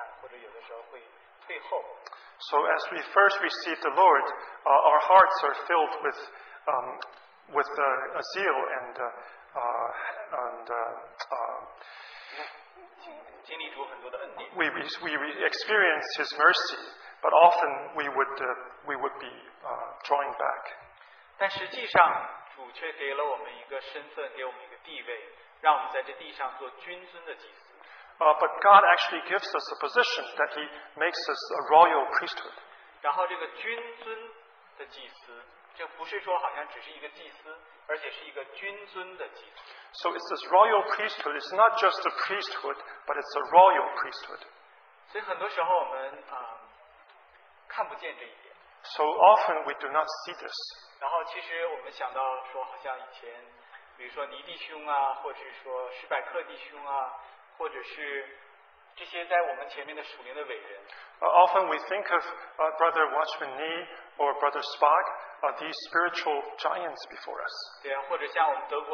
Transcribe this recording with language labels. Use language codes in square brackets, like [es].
[zh] 我觉得就是我们刚信主的时候，很多时候我们经历很多主的恩典啊，然后我们里面心里火热，然后经历神很大的奇妙的作为，对吧？但有的时候我们的心会冷淡，或者有的时候会退后。 [en] So as we first receive the Lord, our hearts are filled with a zeal and we experience His mercy. But often we would be drawing back. [zh] 但实际上，主却给了我们一个身份，给我们一个地位，让我们在这地上做君尊的祭司。 [en] But God actually gives us a position that He makes us a royal priesthood. [zh] 然后这个君尊的祭司，就不是说好像只是一个祭司，而且是一个君尊的祭司。 [en] So it's this royal priesthood. It's not just a priesthood, but it's a royal priesthood. [zh] 所以很多时候我们 [en] So often we do not see this. [zh] 然后其实我们想到说，好像以前，比如说尼弟兄啊，或者说施柏克弟兄啊，或者是这些在我们前面的属灵的伟人。 [en] Often we think of Brother Watchman Nee or Brother Spock, these spiritual giants before us.